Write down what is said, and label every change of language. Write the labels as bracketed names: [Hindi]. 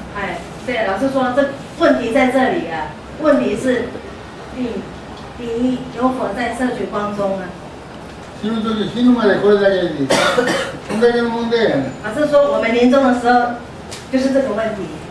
[Chinese] 哎，对，老师说这问题在这里啊，问题是你有否在摄取光中啊？ [Japanese] 死ぬ時、死ぬまでこれだけに、これだけの問題やね。 [Chinese] 老师说我们临终的时候就是这个问题。